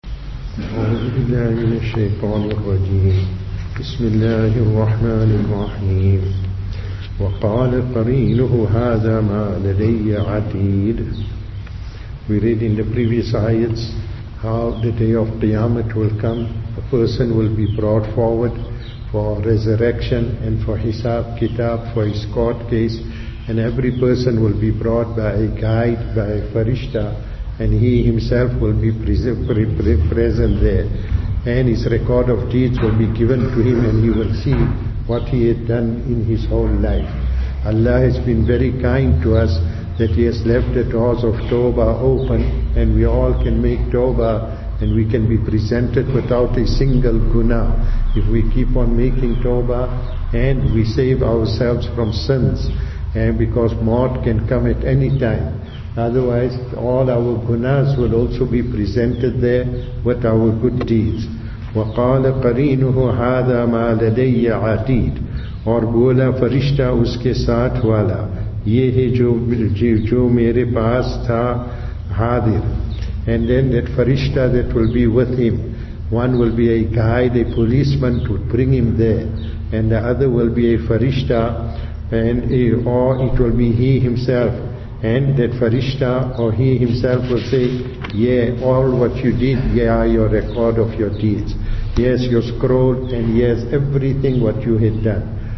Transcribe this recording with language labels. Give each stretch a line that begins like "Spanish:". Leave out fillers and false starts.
Arabic: أعوذ بالله من الشيطان الرجيم. بسم الله الرحمن الرحيم. وقال قرينه هذا ما لدي عتيد.
English: We read in the previous ayats how the day of Qiyamah will come, a person will be brought forward for resurrection and for Hisab Kitab, for his court case, and every person will be brought by a guide, by a farishta, and he himself will be present there, and his record of deeds will be given to him, and he will see what he had done in his whole life. Allah has been very kind to us that he has left the doors of Tawbah open, and we all can make Tawbah, and we can be presented without a single guna. If we keep on making Tawbah, and we save ourselves from sins, and because maut can come at any time. Otherwise, all our gunas will also be presented there with our good deeds.
Arabic: وَقَالَ قَرِينُهُ هَذَا مَا لَدَيَّ عَتِيدٌ.
Urdu: اور بولا فرشتہ اس کے ساتھ والا, یہ ہے جو میرے پاس تھا حاضر.
English: And then that farishta that will be with him, one will be a guide, a policeman to bring him there, and the other will be a farishta, or it will be he himself. And that farishta or he himself will say, yeah, all what you did, yeah, your record of your deeds, yes, your scroll, and yes, everything what you had done.